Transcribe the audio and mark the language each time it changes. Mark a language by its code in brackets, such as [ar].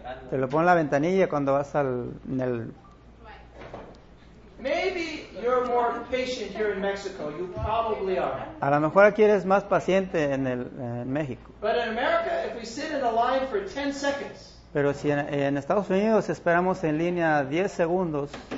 [es] Te lo pone la ventanilla cuando vas al en el. [en] Maybe you're more patient here in Mexico. You probably are. [es] A lo mejor aquí eres más paciente en México. [en] But in America, if we sit in a line for 10 seconds. [es] Pero si en Estados Unidos esperamos en línea 10 segundos,